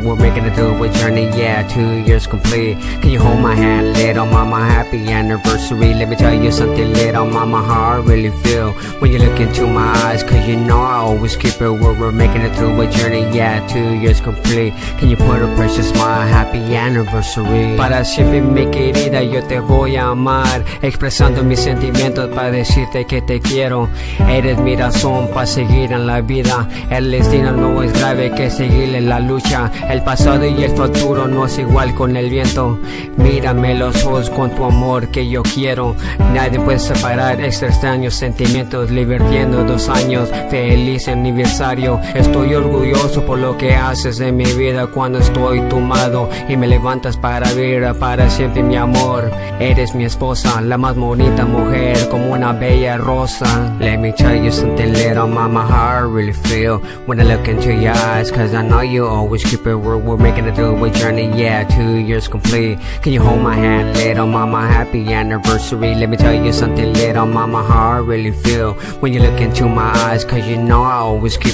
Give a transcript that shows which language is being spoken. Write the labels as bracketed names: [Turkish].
[English] We're making a double journey, yeah, 2 years complete. Can you hold my hand, little mama, happy anniversary. Let me tell you something little, mama, how I really feel when you look into my eyes, cause you know I always keep it real. We're making it through a journey, yeah, 2 years complete. Can you put a precious smile, happy anniversary. [Spanish] Para siempre mi querida yo te voy a amar, expresando mis sentimientos para decirte que te quiero. Eres mi razón para seguir en la vida, el destino no es grave que seguir en la lucha. El pasado y el futuro no es igual con el viento. Mírame los ojos con tu amor que yo quiero. Nadie puede separar estos extraños sentimientos, divirtiendo 2 años, feliz aniversario. Estoy orgulloso por lo que haces en mi vida cuando estoy tumbado y me levantas para vivir para siempre mi amor. Eres mi esposa, la más bonita mujer, como una bella rosa. [English] Let me tell you something little, mama, how I really feel when I look into your eyes, cause I know you always keep it real. We're making a double journey, yeah, 2 years complete. Can you hold my hand, little mama, happy anniversary. Let me tell you something little, mama, how I really feel when you look into my eyes, cause you know I always keep.